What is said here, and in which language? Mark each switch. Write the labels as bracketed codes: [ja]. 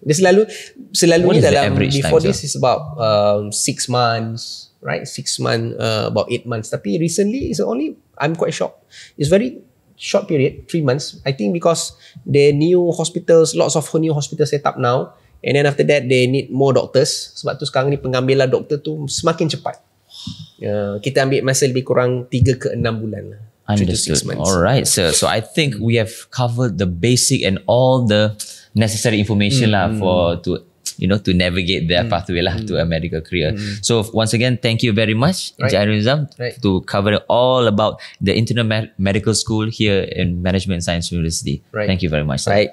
[ms] Dia selalunya dalam [en] before this is about 6 months, right? 6 months, about 8 months. Tapi recently is only, I'm quite shocked. It's very short period, 3 months. I think because the new hospitals, lots of new hospitals set up now. And then after that, they need more doctors. [ms] Sebab tu sekarang ni pengambilan doktor tu semakin cepat. Kita ambil masa lebih kurang 3-6 bulan lah. [en] Understood. All right, sir. So I think we have covered the basic and all the necessary information lah for to you know, to navigate their pathway lah to a medical career. So once again, thank you very much, Encik Nizam, to cover all about the internal medical school here in Management Science University. Thank you very much.